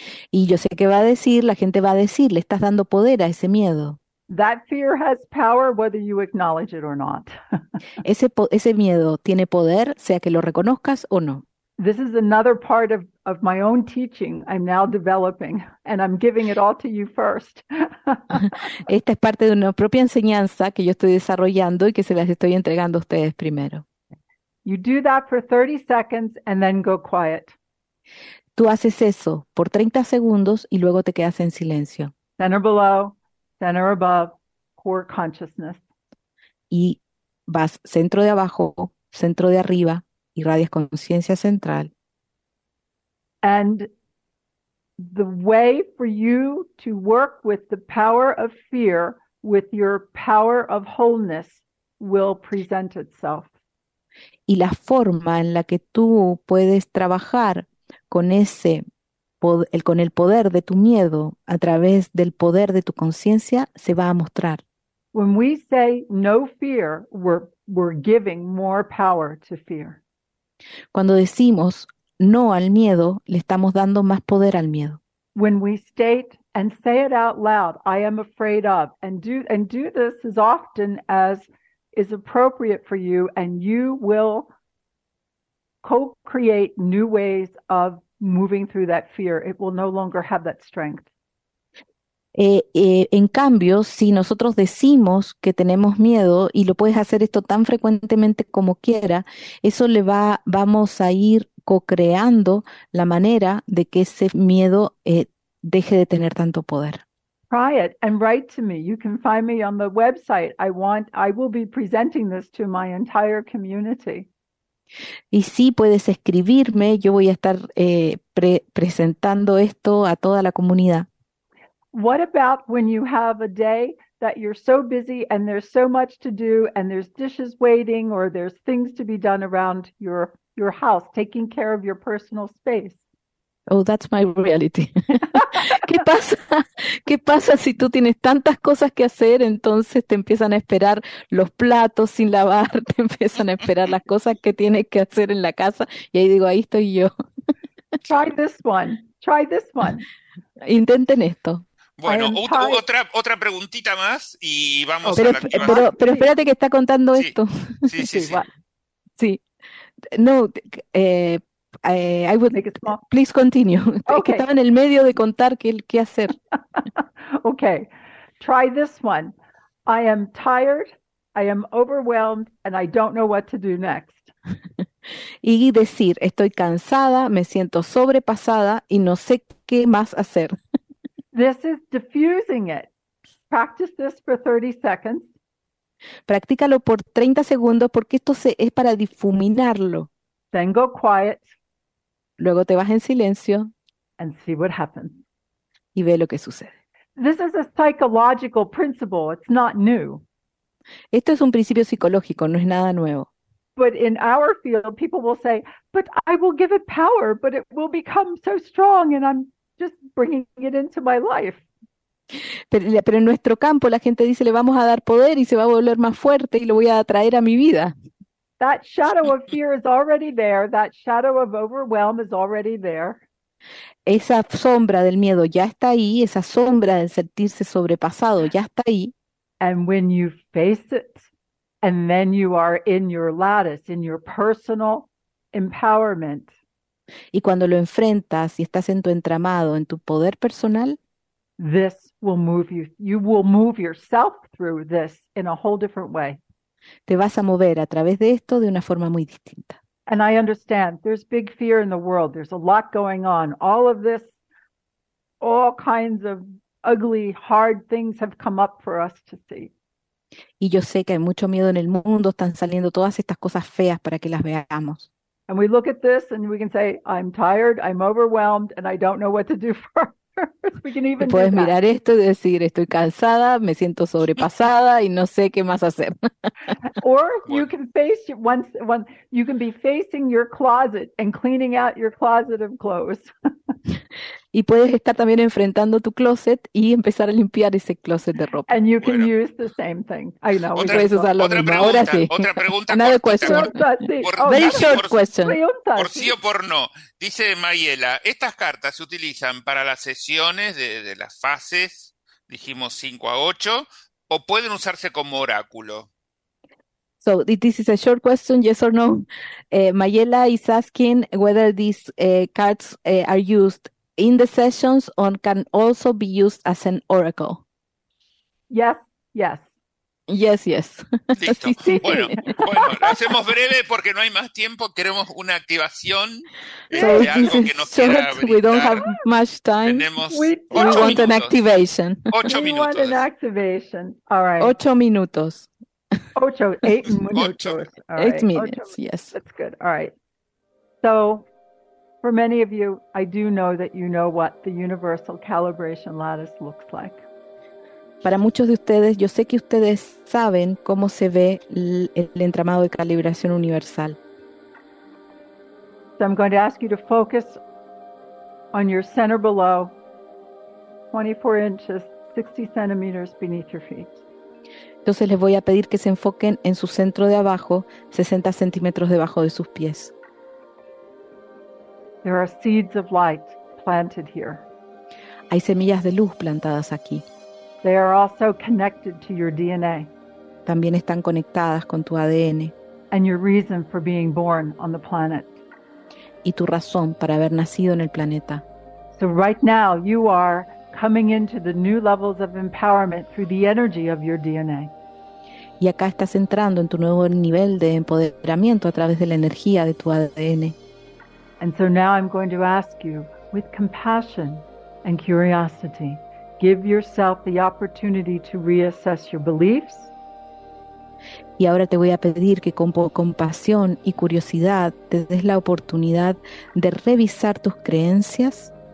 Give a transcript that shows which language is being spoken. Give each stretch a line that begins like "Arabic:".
Spanish: Y yo sé que va a decir, la gente va a decir, le estás dando poder a ese miedo.
English: That fear has power whether you acknowledge it or not.
Spanish: ese miedo tiene poder, sea que lo reconozcas o no.
English: This is another part of my own teaching I'm now developing, and I'm giving it all to you first.
Spanish: Esta es parte de una propia enseñanza que yo estoy desarrollando y que se las estoy entregando a ustedes primero.
English: You do that for 30 seconds and then go quiet.
Spanish: Tú haces eso por 30 segundos y luego te quedas en silencio.
English: Center below, center above, core consciousness.
Spanish: Y vas centro de abajo, centro de arriba, irradias conciencia central.
English: And the way for you to work with the power of fear with your power of wholeness will present itself.
Spanish: Y la forma en la que tú puedes trabajar con el poder de tu miedo a través del poder de tu conciencia se va a mostrar.
English: When we say no fear, we're giving more power to fear.
Spanish: Cuando decimos no al miedo, le estamos dando más poder al miedo.
English: When we state and say it out loud, I am afraid of, and do this as often as is appropriate for you, and you will co-create new ways of moving through that fear. It will no longer have that strength.
Spanish: En cambio, si nosotros decimos que tenemos miedo y lo puedes hacer esto tan frecuentemente como quiera, eso le va, vamos a ir co-creando la manera de que ese miedo deje de tener tanto poder.
English: Try it and write to me. You can find me on the website. I will be presenting this to my entire community.
Spanish: Y sí, puedes escribirme. Yo voy a estar presentando esto a toda la comunidad.
English: What about when you have a day that you're so busy and there's so much to do and there's dishes waiting or there's things to be done around your house, taking care of your personal space? Oh, that's my reality.
Spanish: ¿Qué pasa si tú tienes tantas cosas que hacer, entonces te empiezan a esperar los platos sin lavar, te empiezan a esperar las cosas que tienes que hacer en la casa y ahí digo, ahí estoy yo?
English: Try this one.
Spanish: Intenten esto. Bueno, otra preguntita más y vamos pero, a la activación. Pero espérate que está contando sí. Esto. Sí. Sí.
English: I would make it small. Please continue. Okay.
Spanish: Estaba en el medio de contar qué hacer.
English: Okay. Try this one. I am tired, I am overwhelmed, and I don't know what to do next.
Spanish: Y decir, estoy cansada, me siento sobrepasada y no sé qué más hacer.
English: This is diffusing it. Practice this for 30 seconds.
Spanish: Practícalo por 30 segundos porque esto es para difuminarlo.
English: Then go quiet.
Spanish: Luego te vas en silencio.
English: And see what happens.
Spanish: Y ve lo que sucede.
English: This is a psychological principle. It's not new.
Spanish: Esto es un principio psicológico, no es nada nuevo.
English: But in our field, people will say, but I will give it power, but it will become so strong and I'm just bringing it into my life.
Spanish: Pero en nuestro campo la gente dice, le vamos a dar poder y se va a volver más fuerte y lo voy a atraer a mi vida.
English: That shadow of fear is already there. That shadow of overwhelm is already there.
Spanish: Esa sombra del miedo ya está ahí, esa sombra de sentirse sobrepasado ya está ahí.
English: And when you face it, and then you are in your lattice, in your personal empowerment.
Spanish: Y cuando lo enfrentas y estás en tu entramado, en tu poder personal,
English: this will move you. You will move yourself through this in a whole different way.
Spanish: Te vas a mover a través de esto de una forma muy distinta.
English: And I understand there's big fear in the world. There's a lot going on. All of this, all kinds of ugly, hard things have come up for us to see.
Spanish: Y yo sé que hay mucho miedo en el mundo, están saliendo todas estas cosas feas para que las veamos.
English: And we look at this and we can say, I'm tired, I'm overwhelmed, and I don't know what to do first. We can even
Spanish: puedes mirar esto y decir, estoy cansada, me siento sobrepasada y no sé qué más hacer.
English: Or you can face once you can be facing your closet and cleaning out your closet of clothes.
Spanish: Y puedes estar también enfrentando tu closet y empezar a limpiar ese closet de ropa.
English: And you can use the same thing. I know.
Spanish: Puedes usar lo mismo. Ahora sí. Otra pregunta.
English: Another question. Very short question.
Spanish: Por sí o por no. Dice Mayela, estas cartas se utilizan para las sesiones de las fases, dijimos 5 a 8, o pueden usarse como oráculo.
English: So this is a short question, yes or no. Mayela is asking whether these cards are used in the sessions or can also be used as an oracle. Yes.
Spanish: Listo. Sí. Bueno, lo hacemos breve porque no hay más tiempo. Queremos una activación
English: so
Spanish: de algo que nos
English: short,
Spanish: quiera brindar.
English: We don't have much time.
Spanish: Tenemos ocho minutos.
English: 8 minutes. Yes. That's good. All right. So, for many of you, I do know that you know what the universal calibration lattice looks like.
Spanish: Para muchos de ustedes, yo sé que ustedes saben cómo se ve el entramado de calibración universal.
English: So I'm going to ask you to focus on your center below, 24 inches, 60 centimeters beneath your feet.
Spanish: Entonces les voy a pedir que se enfoquen en su centro de abajo, 60 centímetros debajo de sus pies.
English: There are seeds of light planted here.
Spanish: Hay semillas de luz plantadas aquí.
English: They are also connected to your DNA.
Spanish: También están conectadas con tu ADN.
English: And your reason for being born on the planet.
Spanish: Y tu razón para haber nacido en el planeta.
English: So right now you are coming into the new levels of empowerment through the energy of your DNA.
Spanish: Y acá estás entrando en tu nuevo nivel de empoderamiento a través de la energía de tu ADN.
English: And so now I'm going to ask you, with compassion and curiosity, give yourself the opportunity to reassess your beliefs.
Spanish: Y ahora te voy a pedir que con compasión y curiosidad te des la oportunidad de revisar tus creencias.